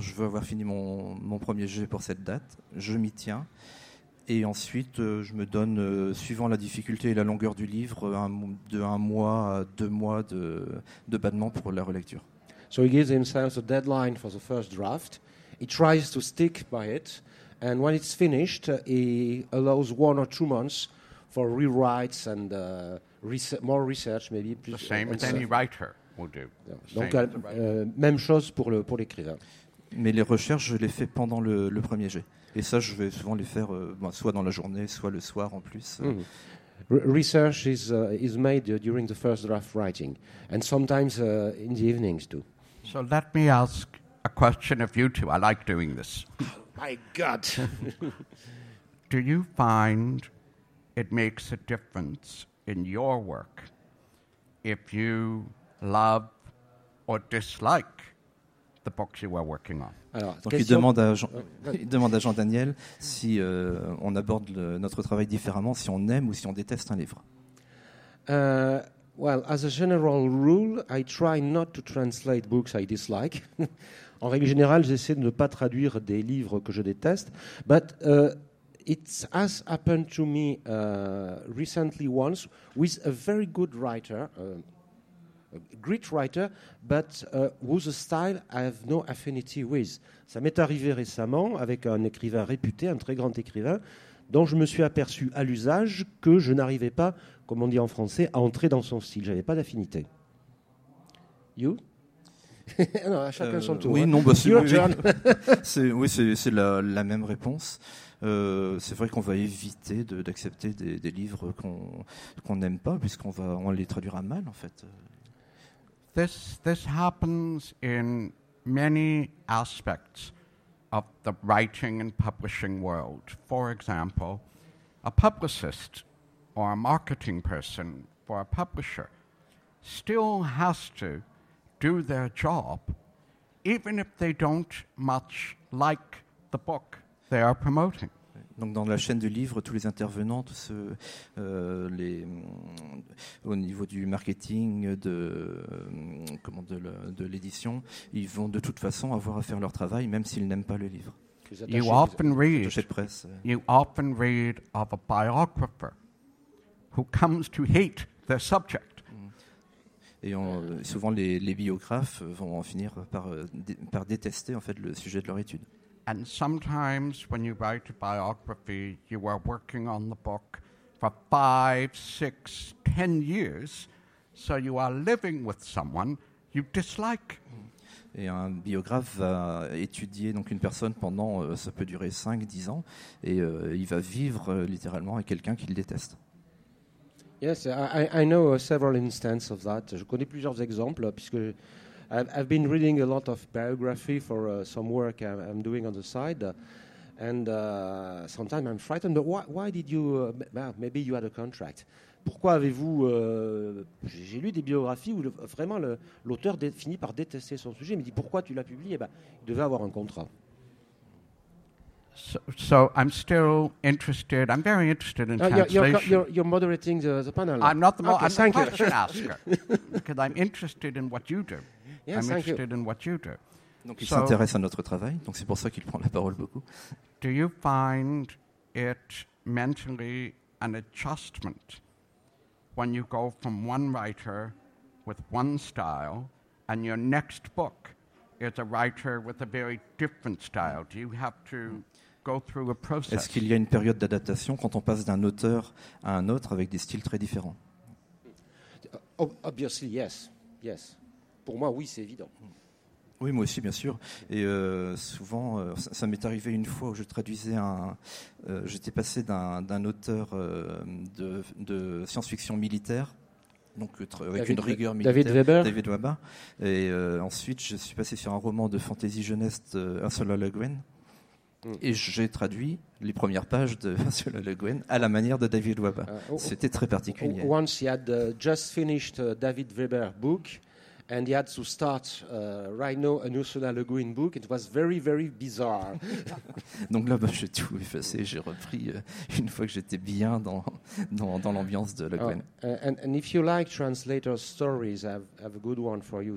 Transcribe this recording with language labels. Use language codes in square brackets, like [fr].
[fr] Je veux avoir fini mon premier jet pour cette date. Je m'y tiens. Et ensuite, je me donne, suivant la difficulté et la longueur du livre, un mois à deux mois de battement pour la relecture. [en] So he gives himself a deadline for the first draft. He tries to stick by it. And when it's finished, he allows 1 or 2 months for rewrites and more research, maybe. The same as any writer will do. [fr] Donc, même chose pour l'écrivain. Mais les recherches, je les fais pendant le premier jet. Et ça, je vais souvent les faire soit dans la journée, soit le soir en plus. [en] Research is made during the first draft writing, and sometimes in the evenings too. So let me ask a question of you two. I like doing this. Oh my God! Do you find it makes a difference in your work if you love or dislike the books you are working on? [fr] Alors, donc il demande à Jean-Daniel si on aborde notre travail différemment, si on aime ou si on déteste un livre. [en] Well, as a general rule, I try not to translate books I dislike. [fr] En règle générale, j'essaie de ne pas traduire des livres que je déteste, [en] but it has happened to me recently once with a very good writer, great writer, but whose style I have no affinity with. [fr] Ça m'est arrivé récemment avec un écrivain réputé, un très grand écrivain, dont je me suis aperçu à l'usage que je n'arrivais pas, comme on dit en français, à entrer dans son style. Je n'avais pas d'affinité. [en] You? [fr] Non, à chacun son tour. Oui, hein. Non, bah, c'est, oui, c'est la même réponse. C'est vrai qu'on va éviter d'accepter des livres qu'on n'aime pas, puisqu'on va, on les traduira mal, en fait. [en] This happens in many aspects of the writing and publishing world. For example, a publicist or a marketing person for a publisher still has to do their job, even if they don't much like the book they are promoting. [fr] Donc dans la chaîne du livre, tous les intervenants, tous ceux, les, au niveau du marketing, de l'édition, ils vont de toute façon avoir à faire leur travail, même s'ils n'aiment pas le livre. [en] You often read of a biographer who comes to hate their subject. [fr] Et souvent les biographes vont en finir par détester en fait le sujet de leur étude. [en] And sometimes when you write a biography, you are working on the book for 5, 6, 10 years, so you are living with someone you dislike. [fr] Et un biographe va étudier donc une personne pendant, ça peut durer 5-10 ans, et il va vivre littéralement avec quelqu'un qu'il déteste. [en] Yes, I know several instances of that. [fr] Je connais plusieurs exemples, puisque [en] I've been reading a lot of biography for some work I'm doing on the side, and sometimes I'm frightened. But why did you? Maybe you had a contract. [fr] Pourquoi avez-vous? J'ai lu des biographies où vraiment l'auteur finit par détester son sujet. Il me dit pourquoi tu l'as publié? Eh ben, il devait avoir un contrat. [en] So I'm still interested. I'm very interested in translation. You're moderating the panel. I'm not the moderator. Thank you. I'm a question asker because I'm interested in what you do. Yes, I'm interested you. In what you do. [fr] Donc il s'intéresse à notre travail, donc c'est pour ça qu'il prend la parole beaucoup. [en] Do you find it mentally an adjustment when you go from one writer with one style and your next book is a writer with a very different style? Do you have to go through a process? [fr] Est-ce qu'il y a une période d'adaptation quand on passe d'un auteur à un autre avec des styles très différents? [en] Obviously, yes. Yes. [fr] Pour moi, oui, c'est évident. Oui, moi aussi, bien sûr. Et souvent, ça m'est arrivé une fois où je traduisais j'étais passé d'un auteur de science-fiction militaire, donc avec une rigueur militaire. David Weber. Et ensuite, je suis passé sur un roman de fantasy jeunesse de Ursula Le Guin. Et j'ai traduit les premières pages de Monsieur Le Guin à la manière de David Weber. C'était très particulier. [en] Once he had just finished David Weber book. And he had to start right now an Ursula Le Guin book. It was very, very bizarre. [fr] Donc là, bah, j'ai tout effacé. J'ai repris une fois que j'étais bien dans l'ambiance de Le Guin. [en] And if you like translator stories, I have a good one for you.